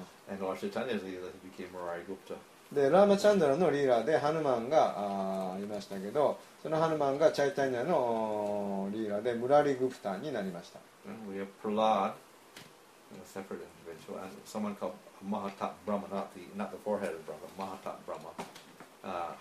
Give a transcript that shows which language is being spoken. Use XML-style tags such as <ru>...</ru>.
<en>and Lord Chaitanya's leader, he became Murari Gupta.</en> <ja>で、ラーマチャンドラのリーダーでハヌマンがいましたけど、そのハヌマンがチャイタニアのリーダーでムラリグプタになりました。</ja> <en>We have Prahlad, a separate individual, and someone called Mahatat Brahma, not the forehead of Brahma, Mahatat Brahma,</en>